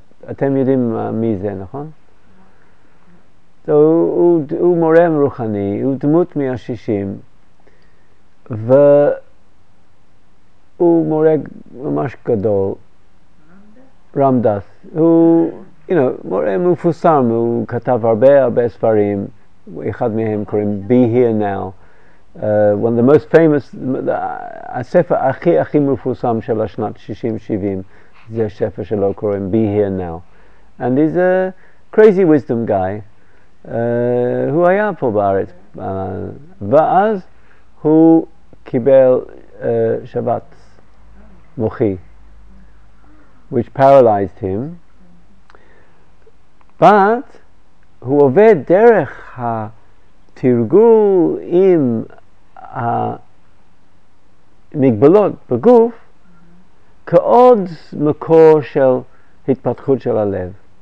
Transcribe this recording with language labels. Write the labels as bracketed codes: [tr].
[he] אתם יודעים מי זה, נכון? הוא מורה מרוחני, הוא דמות מהשישים, והוא מורה ממש גדול. רמדס? רמדס. הוא [en] you know, [he] מורה מפורסם, הוא כתב הרבה הרבה ספרים, אחד מהם קוראים Be Here Now. [en] One of the most famous, [he] הספר הכי הכי מפורסם של השנת 60-70, זה הספר שלו קוראים Be Here Now. [en] And he's a crazy wisdom guy, who [he] היה פה בארץ. ואז הוא קיבל שבת מוחי, [en] which paralyzed him. [he] But הוא עובד דרך התרגול עם המגבלות בגוף כעוד מקור של התפתחות של הלב.